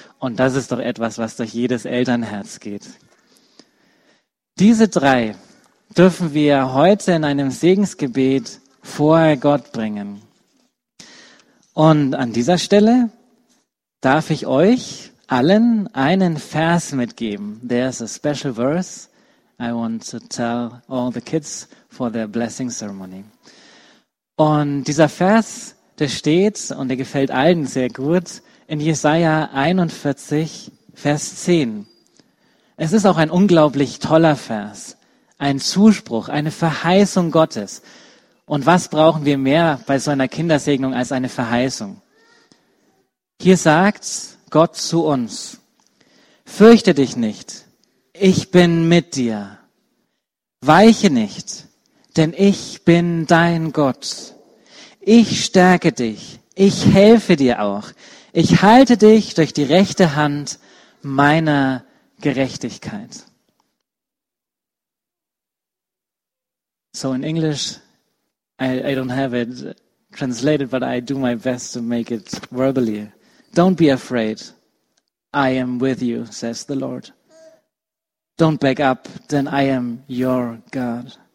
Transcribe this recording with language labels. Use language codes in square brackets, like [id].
[de] Und das ist doch etwas, was durch jedes Elternherz geht. Diese drei dürfen wir heute in einem Segensgebet vor Gott bringen. Und an dieser Stelle darf ich euch allen einen Vers mitgeben. [en] There's a special verse I want to tell all the kids for their blessing ceremony. [de] Und dieser Vers, der steht, und der gefällt allen sehr gut, in Jesaja 41, Vers 10. Es ist auch ein unglaublich toller Vers, ein Zuspruch, eine Verheißung Gottes. Und was brauchen wir mehr bei so einer Kindersegnung als eine Verheißung? Hier sagt Gott zu uns, fürchte dich nicht, ich bin mit dir. Weiche nicht, denn ich bin dein Gott. Ich stärke dich, ich helfe dir auch. Ich halte dich durch die rechte Hand meiner Gerechtigkeit. [en] So in English, I don't have it translated, but I do my best to make it verbally. Don't be afraid. I am with you, says the Lord. Don't back up, then I am your God.